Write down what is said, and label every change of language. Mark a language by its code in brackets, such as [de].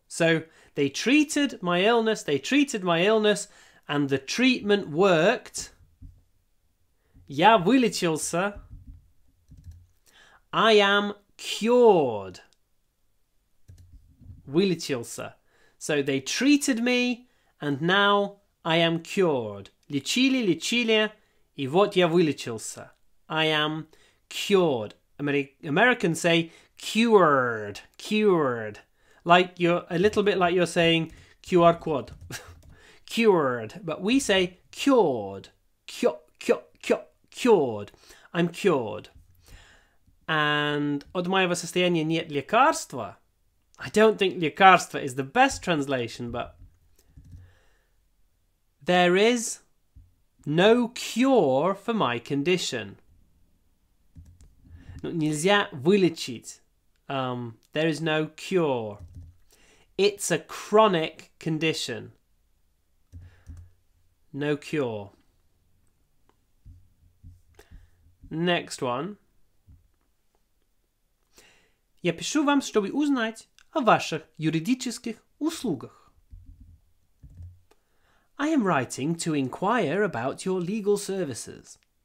[en] So, they treated my illness, and the treatment worked. [ru] Я вылечился. [en] I am cured. [ru] Вылечился. [en] So they treated me and now I am cured. [ru] Лечили, и вот я вылечился. [en] I am cured. Americans say cured. Like you're a little bit like you're saying QR quad. Cured. But we say cured. Cured. I'm cured. [ru] And от моего состояния нет лекарства. [en] I don't think лекарство is the best translation, but there is no cure for my condition. [ru] Ну, нельзя вылечить. [en] There is no cure. It's a chronic condition. No cure. Next one. [ru] Я пишу вам, чтобы узнать о ваших юридических услугах. [en] I am writing to inquire about your legal services.